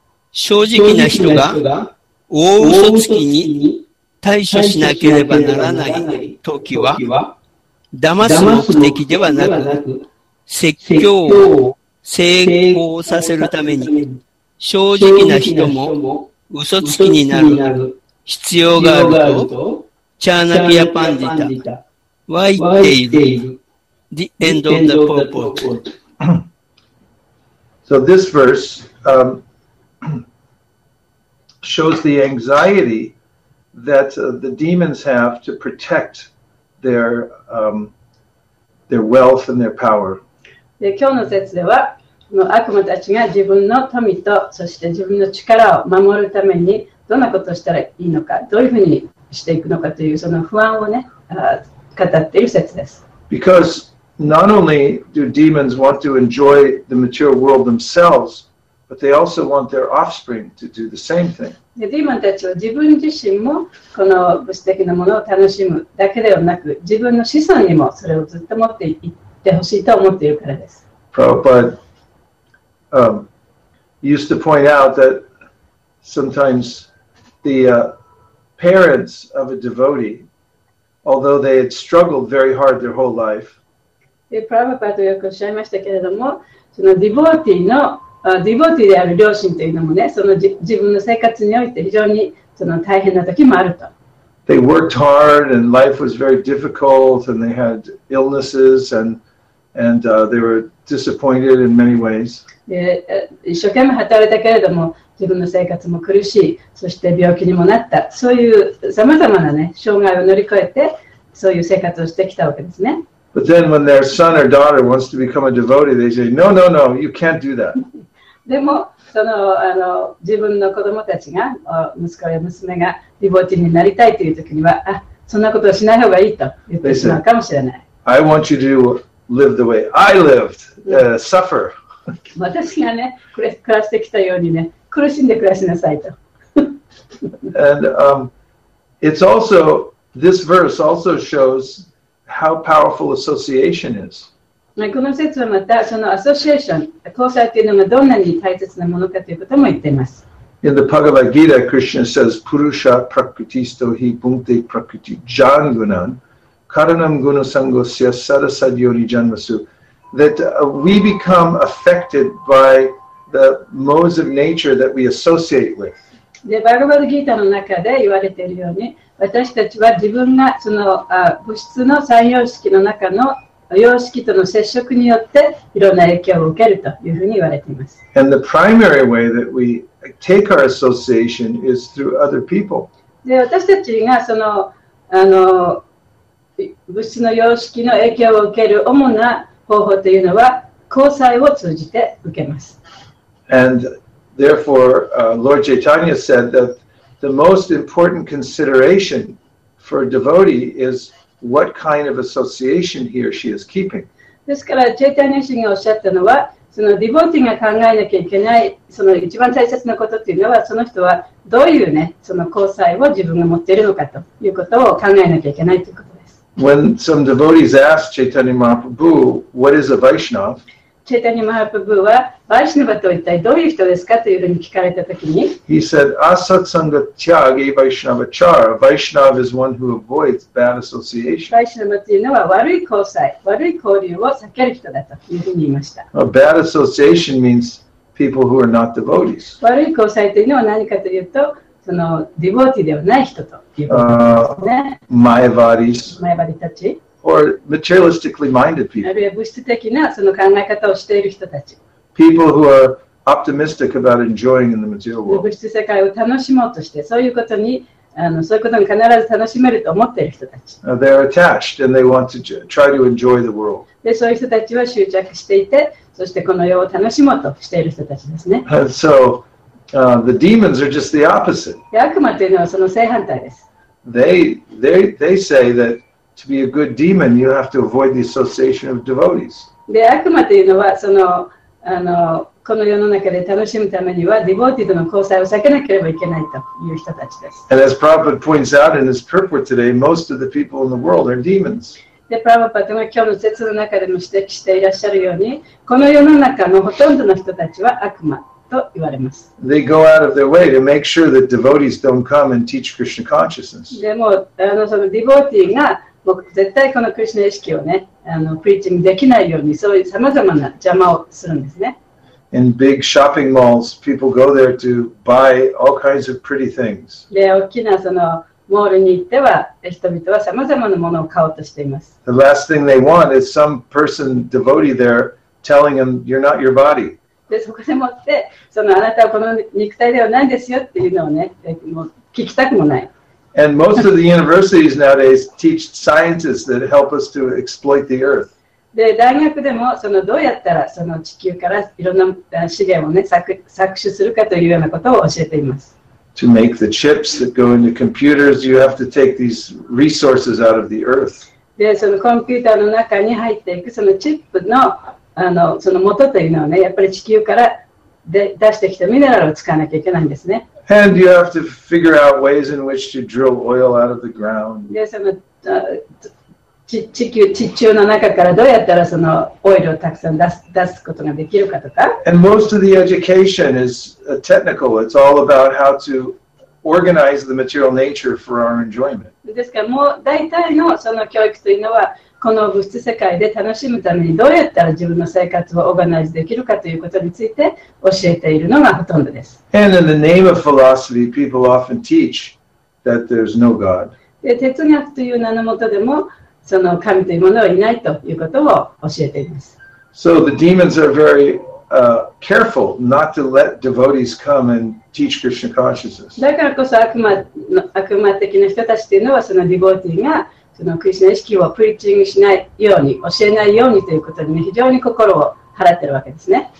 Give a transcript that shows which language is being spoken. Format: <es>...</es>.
<ja>正直な人が、大嘘つきに対処しなければならない時は、騙す目的ではなく、説教を成功させるために、正直な人も嘘つきになる必要があると、チャーナピアパンディタは言っている。</ja> <en>The end of the purport. So this verse, shows the anxiety that the demons have to protect their wealth and their power.</en> <ja>で、今日の説では、この悪魔たちが自分の富と、そして自分の力を守るために、どんなことをしたらいいのか、どういうふうにしていくのかというその不安をね、語っている説です。</ja> <en>Because not only do demons want to enjoy the material world themselves, But they also want their offspring to do the same thing.</en> <ja>で、ディーモンたちは自分自身もこの物質的なものを楽しむだけではなく、自分の子孫にもそれをずっと持っていってほしいと思っているからです。</ja> <en>Prabhupada used to point out that sometimes the parents of a devotee, although they had struggled very hard their whole life,</en> <ja>で、プラヴァパドよくおっしゃいましたけれども、そのディボーティーのディボーティーである両親というのもね、その自分の生活において非常にその大変な時もあると。</ja> <en>They worked hard and life was very difficult and they had illnesses and they were disappointed in many ways.</en> <ja>一生懸命働いたけれども、自分の生活も苦しい、そして病気にもなった、そういうさまざまなね、障害を乗り越えて、そういう生活をしてきたわけですね。</ja> <en>But then when their son or daughter wants to become a devotee, they say, no, no, no, you can't do that.</en> <ja>でも、その、自分の子供たちが、息子や娘がディボーティーになりたいという時には、あ、そんなことをしない方がいいと言ってしまうかもしれない。</ja> <en>They say, I want you to live the way I lived, suffer.</en> <ja>私がね、暮らしてきたようにね、苦しんで暮らしなさいと。</ja> <en>And it's also, this verse also showsHow powerful association is.</en> <ja>この説はまたそのアソシエーション、交際というのがどんなに大切なものかということも言っています。</ja> <en>In the Bhagavad Gita, Krishna says,</en> <sa>Purusha prakritisto hi bhunte prakriti janagunan karanam gunasangosya sarasadyoni janmasu.</sa> <en>That we become affected by the modes of nature that we associate with.</en> <ja>で、バガヴァルギータの中で言われているように、私たちは自分がその物質の三様式の中の様式との接触によっていろんな影響を受けるというふうに言われています。</ja> <en>And the primary way that we take our association is through other people.</en> <ja>で、私たちがその物質の様式の影響を受ける主な方法というのは、交際を通じて受けます。</ja> <en>And... Therefore, Lord Chaitanya said that the most important consideration for a devotee is what kind of association he or she is keeping.</en> <ja>ですから、チェイタニア氏がおっしゃったのは、そのディボーティが考えなきゃいけない、その一番大切なことというのは、その人はどういうね、その交際を自分が持っているのかということを考えなきゃいけないということです。</ja> <en>When some devotees ask Chaitanya Mahaprabhu, what is a Vaishnav?</en> <ja>チェタニマハプブーはバイシナバと一体どういう人ですかというふうに聞かれたときに</ja> <en>He said,</en> <sa>Asat Sangha Tyagi Vaishnava Char.</sa> <en>Vaishnava is one who avoids bad association.</en> <ja>バイシナバというのは悪い交際、悪い交流を避ける人だというふうに言いました。</ja> <en>A bad association means people who are not devotees.</en> <ja>悪い交際というのは何かというと、そのディボーティではない人ということですね。マイバディたち。</ja> <en>Or materialistically minded people.</en> <ja>あるいは物質的なその考え方をしている人たち。</ja> <en>People who are optimistic about enjoying in the material world.</en> <ja>物質世界を楽しもうとして、そういうことに、そういうことに必ず楽しめると思っている人たち。</ja> <en>They are attached and they want to try to enjoy the world.</en> <ja>で、そういう人たちは執着していて、そしてこの世を楽しもうとしている人たちですね。</ja> <en>So, the demons are just the opposite.</en> <ja>悪魔というのはその正反対です。</ja> <en>They say thatTo be a good demon, you have to avoid the association of devotees.</en> <ja>で、悪魔というのは、その、この世の中で楽しむためには、ディボーティーとの交際を避けなければいけないという人たちです。</ja> <en>And as Prabhupada points out in his purport today, most of the people in the world are demons.</en> <ja>で、プラヴァパッドが今日の説の中でも指摘していらっしゃるように、この世の中のほとんどの人たちは悪魔と言われます。</ja> <en>They go out of their way to make sure that devotees don't come and teach Krishna consciousness.</en> <ja>でも、そのディボーティーが、僕絶対このクリスナ意識をね、プリーチングできないように、そういうさまざまな邪魔をするんですね。</ja> <en>In big shopping malls, people go there to buy all kinds of pretty things.</en> <ja>で、大きなそのモールに行っては、人々はさまざまなものを買おうとしています。</ja> <en>The last thing they want is some person devotee there telling them, you're not your body.</en> <ja>で、そこでもって、そのあなたはこの肉体ではないですよっていうのをね、もう聞きたくもない。</ja> <en>And most of the universities nowadays teach scientists that help us to exploit the earth.</en> <ja>で、大学でもそのどうやったらその地球からいろんな資源をね、搾取するかというようなことを教えています。</ja> <en>To make the chips that go into computers, you have to take these resources out of the earth.</en> <ja>で、そのコンピューターの中に入っていくそのチップの、その元というのはね、やっぱり地球から出してきたミネラルを使わなきゃいけないんですね。</ja> <en>And you have to figure out ways in which to drill oil out of the ground.</en> <ja>で、その、地中の中からどうやったらそのオイルをたくさん出すことができるかとか。</ja> <en>And most of the education is technical. It's all about how to organize the material nature for our enjoyment.</en> <ja>ですから、もう大体のその教育というのは、この物質世界で楽しむためにどうやったら自分の生活をオーガナイズできるかということについて教えているのがほとんどです。</ja> <en>And in the name of philosophy, people often teach that there's no God.</en> <ja>で、哲学という名のもとでも、その神というものはいないということを教えています。</ja> <en>So the demons are very, careful not to let devotees come and teach Krishna consciousness.</en> <ja>だからこそ悪魔的な人たちというのは、そのディボーティーが、そのクリスナ意識をプリーチングしないように教えないようにということに、ね、非常に心を払っているわけですね。</ja>